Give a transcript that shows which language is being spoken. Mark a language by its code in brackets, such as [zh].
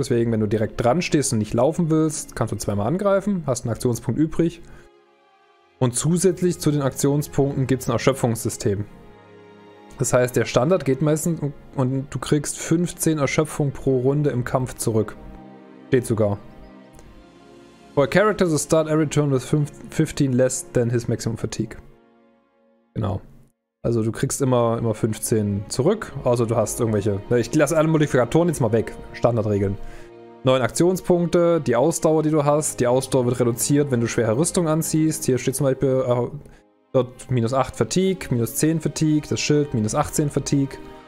[de] Deswegen, wenn du direkt dran stehst und nicht laufen willst, kannst du zweimal angreifen, hast einen Aktionspunkt übrig. Und zusätzlich zu den Aktionspunkten gibt es ein Erschöpfungssystem. Das heißt, der Standard geht meistens und du kriegst 15 Erschöpfung pro Runde im Kampf zurück. Steht sogar. [en] For a character to start every turn with 15 less than his maximum fatigue. [de] Genau. Also du kriegst immer 15 zurück, außer du hast irgendwelche... Ich lasse alle Modifikatoren jetzt mal weg. Standardregeln. 9 Aktionspunkte, die Ausdauer, die du hast. Die Ausdauer wird reduziert, wenn du schwere Rüstung anziehst. Hier steht zum Beispiel dort minus 8 Fatigue, minus 10 Fatigue, das Schild minus 18 Fatigue.